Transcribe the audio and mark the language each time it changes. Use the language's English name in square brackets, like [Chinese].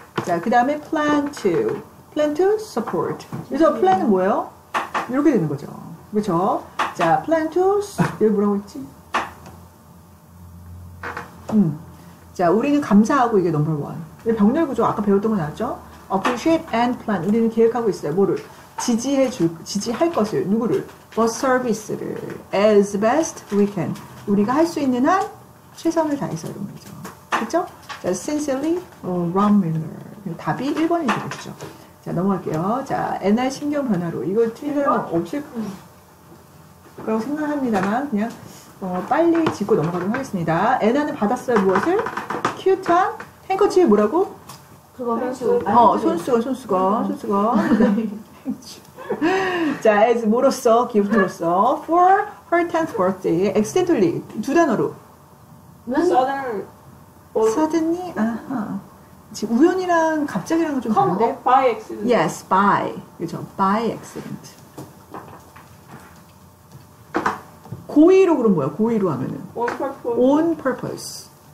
[Korean] 자, 그 다음에 [English] plan to support. [Korean] 그래서 plan은 뭐예요? 이렇게 되는 거죠. 그렇죠? 자, plan to, 여기 뭐라고 했지? 자, 우리는 감사하고 이게 number one. 병렬 구조 아까 배웠던 거 나왔죠? [English] appreciate and plan. [Korean] 우리는 계획하고 있어요. 뭐를? 지지할 것을. 누구를? bus service를 [English] as best we can. [Korean] 우리가 할 수 있는 한 최선을 다해서 이런 거죠. 그죠? Sincerely, Ron Miller. 답이 1번이 되겠죠. 자, 넘어갈게요. 자, 옛날 신경 변화로. 이거 틀리면 없을 거라고 생각합니다만, 그냥, 빨리 짚고 넘어가도록 하겠습니다. 애나는 받았어요, 무엇을? 큐트한 행커치에 뭐라고? 그거 손수. 손수건. 자, as 뭐로써? 기프트로써. [English] For her 10th birthday, accidentally. [Korean] 두 단어로. [English] Suddenly. [Korean] 아하. 지금 우연이랑 갑자기랑 좀 다른데? [English] By accident. Yes, by. [Korean] 그죠. [English] By accident. [Korean] 고의로 그럼 뭐야? 고의로 하면은? [English] On purpose.